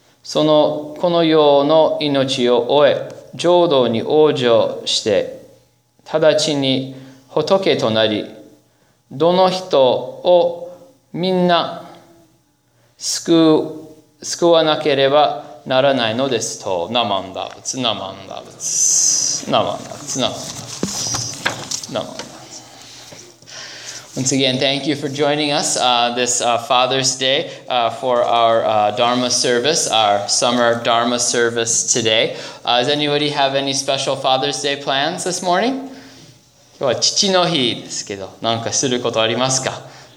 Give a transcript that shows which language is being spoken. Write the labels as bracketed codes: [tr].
[ja] そのこの世の命を終え、浄土に往生して、直ちに仏となり、どの人をみんな救わなければならないのですと。ナマンダブツ、ナマンダブツ、ナマンダブツ、ナマンダブツ、ナマンダブツ。 [en] Once again, thank you for joining us this Father's Day for our Dharma service, our summer Dharma service today. Does anybody have any special Father's Day plans this morning? [ja] 今日は父の日ですけど、何かすることありますか？